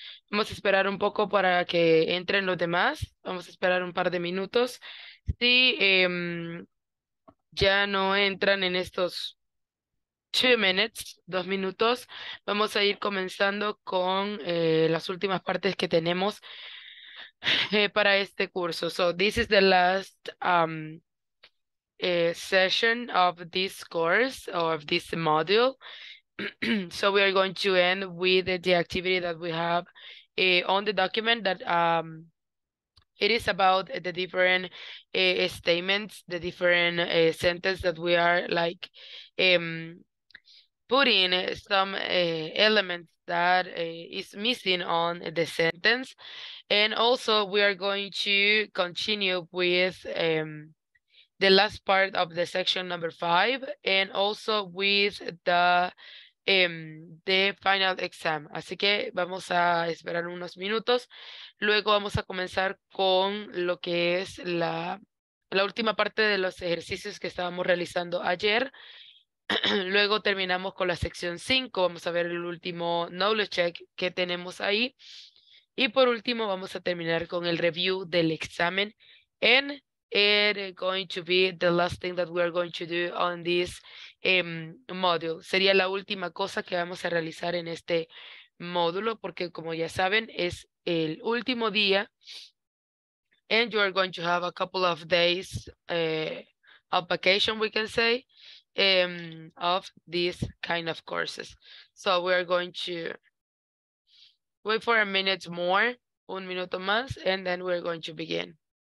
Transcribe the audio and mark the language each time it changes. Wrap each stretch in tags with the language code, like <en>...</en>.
<es>Vamos a esperar un poco para que entren los demás. Vamos a esperar un par de minutos. Si ya no entran en estos 2</es> <en>minutes,</en> <es>dos minutos, vamos a ir comenzando con las últimas partes que tenemos para este curso.</es> <en>So this is the last session of this course or of this module. So we are going to end with the activity that we have on the document that it is about the different statements, the different sentences that we are like putting some elements that is missing on the sentence. And also we are going to continue with the last part of the section number 5 and also with the de final exam.</en> <es>Así que vamos a esperar unos minutos. Luego vamos a comenzar con lo que es la última parte de los ejercicios que estábamos realizando ayer. Luego terminamos con la sección 5. Vamos a ver el último knowledge check que tenemos ahí. Y por último vamos a terminar con el review del examen.</es> <en>And it is going to be the last thing that we are going to do on this module.</en> <es>Sería la última cosa que vamos a realizar en este módulo, porque como ya saben, es el último día.</es> <en>And you are going to have a couple of days of vacation, we can say, of these kind of courses. So we are going to wait for a minute more,</en> <es>un minuto más,</es> <en>and then we are going to begin.</en>